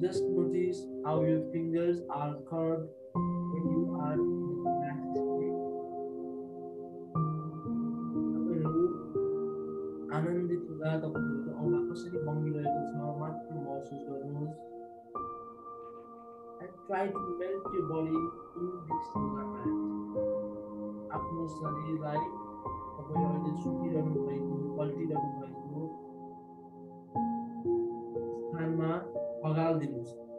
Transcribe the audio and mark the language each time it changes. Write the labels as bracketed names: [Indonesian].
[English] Just notice how your fingers are curved when you are in a relaxed state. [Nepali] आनन्दित हुँदा तपाईँको औँला कसरी बङ्गिरहेको छ मात्र महसुस गर्नुहोस्. [English] Try to melt your body in this moment. [Nepali] आफ्नो शरीरलाई तपाईँ अहिले सुकिरहनु भएको पल्टिरहनु भएको स्थानमा पगालिदिनुहोस्.